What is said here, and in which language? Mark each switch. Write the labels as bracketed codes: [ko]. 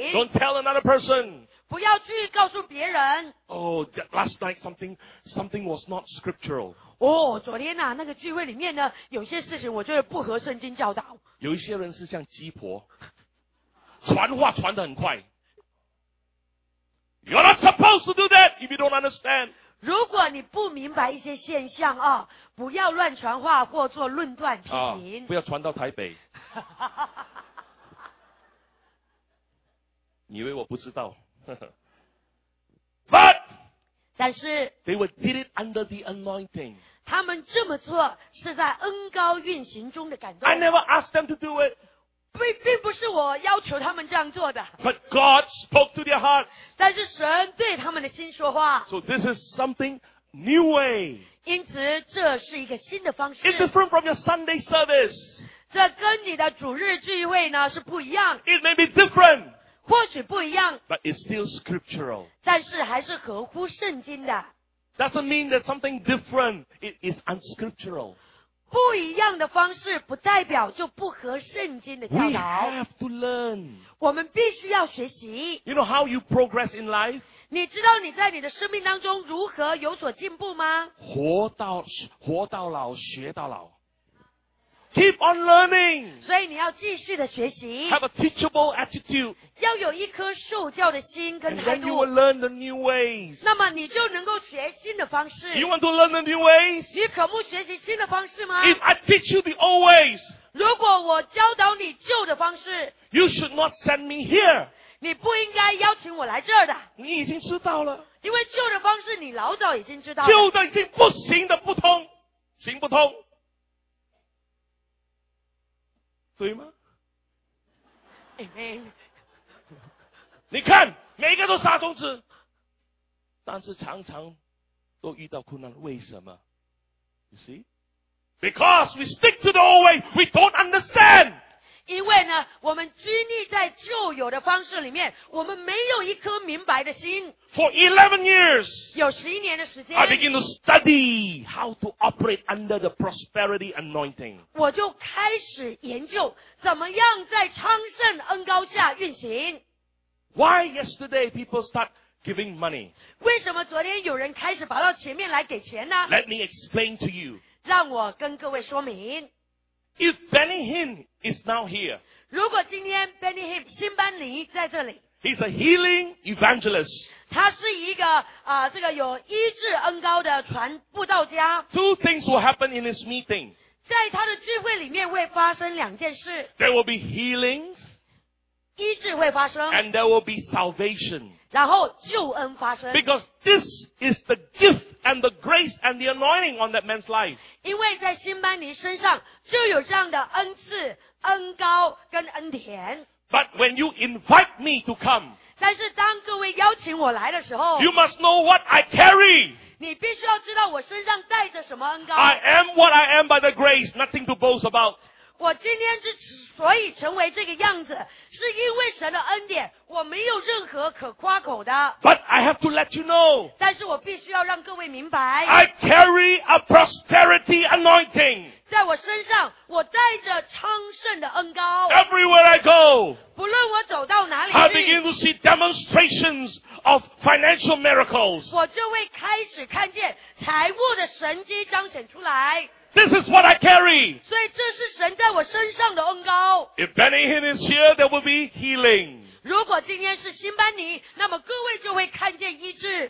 [en] Don't tell another person. [zh] 不要去告诉别人。 [en] Oh, last night something was not scriptural. [zh] 哦，昨天呐，那个聚会里面呢，有些事情我觉得不合圣经教导。有一些人是像鸡婆，传话传得很快。 [en] You're not supposed to do that if you don't understand. [zh] 如果你不明白一些现象啊、哦，不要乱传话或做论断批评、哦，不要传到台北。你以为我不知道？ [en] But， [zh] 但是 [en] ，They were did it under the anointing。 [zh] 他们这么做是在恩膏运行中的感动。 [en] I never asked them to do it。 [zh] 并不是我要求他们这样做的。 [en] But God spoke to their hearts. [zh] 但是神对他们的心说话。 [en] So this is something new way. [zh] 因此这是一个新的方式。 [en] It's different from your Sunday service. [zh] 这跟你的主日聚会呢是不一样。 [en] It may be different. [zh] 或许不一样。 [en] But it's still scriptural. [zh] 但是还是合乎圣经的。 [en] Doesn't mean that something different. It is unscriptural. [zh] 不一样的方式不代表就不合圣经的教导。 [en] We have to learn. [zh] 我们必须要学习。 [en] You know how you progress in life? [zh] 你知道你在你的生命当中如何有所进步吗？活到老，学到老。 [en] Keep on learning. [zh] 所以你要继续的学习。 [en] Have a teachable attitude. [zh] 要有一颗受教的心跟态度。 [en] And then you will learn the new ways. [zh] 那么你就能够学新的方式。 [en] You want to learn the new ways? [zh] 你渴慕学习新的方式吗？ [en] If I teach you the old ways, [zh] 如果我教导你旧的方式， [en] you should not send me here. [zh] 你不应该邀请我来这儿的。你已经知道了。因为旧的方式你老早已经知道了。旧的已经不行的不通，行不通。对吗？ [en] Amen. [zh] 你看每个都杀种子，但是常常都遇到困难，为什么？ [en] You see? Because we stick to the old way, we don't understand. [zh] 因为呢，我们拘泥在旧有的方式里面，我们没有一颗明白的心。 [en] For 11 years, [zh] 有11年的时间， [en] I begin to study how to operate under the prosperity anointing. [zh] 我就开始研究怎么样在昌盛恩膏下运行。 [en] Why yesterday people start giving money? [zh] 为什么昨天有人开始跑到前面来给钱呢？ [en] Let me explain to you. [zh] 让我跟各位说明。 [en] If Benny Hinn is now here, [zh] 如果今天 Benny Hinn 新班尼在这里， [en] he's a healing evangelist. [zh] 他是一个这个有医治恩膏的传布道家。 [en] Two things will happen in his meeting. [zh] 在他的聚会里面会发生两件事。 [en] There will be healings. [zh] 医治会发生。 [en] And there will be salvation. [zh] 然后救恩发生。 [en] Because this is the gift. And the grace and the anointing on that man's life. [zh] 因为在新班尼身上就有这样的恩赐、恩膏跟恩典。 [en] But when you invite me to come, [zh] 但是当各位邀请我来的时候， [en] you must know what I carry. [zh] 你必须要知道我身上带着什么恩膏。 [en] I am what I am by the grace, nothing to boast about. [zh] 我今天之所以成为这个样子，是因为神的恩典。我没有任何可夸口的。 [en] But I have to let you know. [zh] 但是我必须要让各位明白。 [en] I carry a prosperity anointing. [zh] 在我身上，我带着昌盛的恩膏。 [en] Everywhere I go. [zh] 不论我走到哪里去。 [en] I begin to see demonstrations of financial miracles. [zh] 我就会开始看见财务的神迹彰显出来。 [en] This is what I carry. [zh] 所以这是神在我身上的恩膏。 [en] If Benny Hinn is here, there will be healing. [zh] 如果今天是新班尼，那么各位就会看见医治。